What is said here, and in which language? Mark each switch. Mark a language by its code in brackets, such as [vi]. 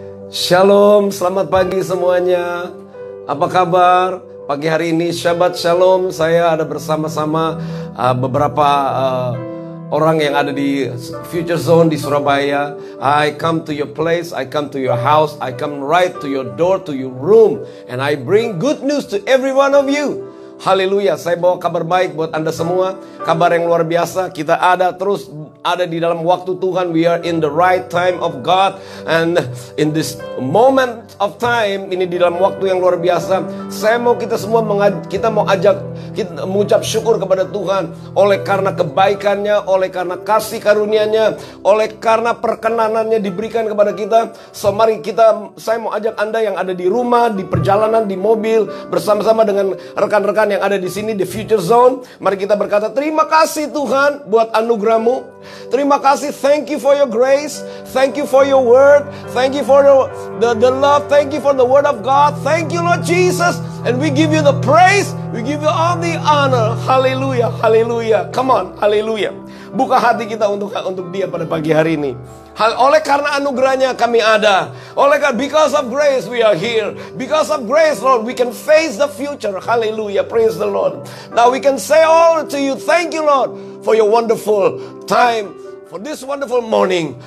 [id] Shalom, selamat pagi semuanya. Apa kabar? Pagi hari ini Shabbat Shalom. Saya ada bersama-sama beberapa orang yang ada di Future Zone di Surabaya. [en] I come to your place, I come to your house, I come right to your door, to your room, and I bring good news to every one of you. [id] Haleluya, saya bawa kabar baik buat Anda semua. Kabar yang luar biasa, kita ada terus ada di dalam waktu Tuhan. [en] We are in the right time of God. [id] And in this moment of time, ini di dalam waktu yang luar biasa, saya mau kita semua, kita mau ajak, kita mengucap syukur kepada Tuhan. Oleh karena kebaikannya, oleh karena kasih karunianya, oleh karena perkenanannya diberikan kepada kita. So mari kita, saya mau ajak Anda yang ada di rumah, di perjalanan, di mobil, bersama-sama dengan rekan-rekan yang ada di sini, di Future Zone, mari kita berkata, terima kasih Tuhan buat anugerah-Mu. [en] Terima kasih, thank you for your grace, thank you for your word, thank you for the love, thank you for the word of God, thank you Lord Jesus, and we give you the praise, we give you all the honor. Hallelujah, hallelujah, come on, hallelujah. [id] Buka hati kita untuk Dia pada pagi hari ini. Oleh karena anugerah-Nya kami ada. [en] Oleh karena, because of grace we are here. Because of grace, Lord, we can face the future. Hallelujah, praise the Lord. Now we can say all to you, thank you, Lord, for your wonderful time, for this wonderful morning.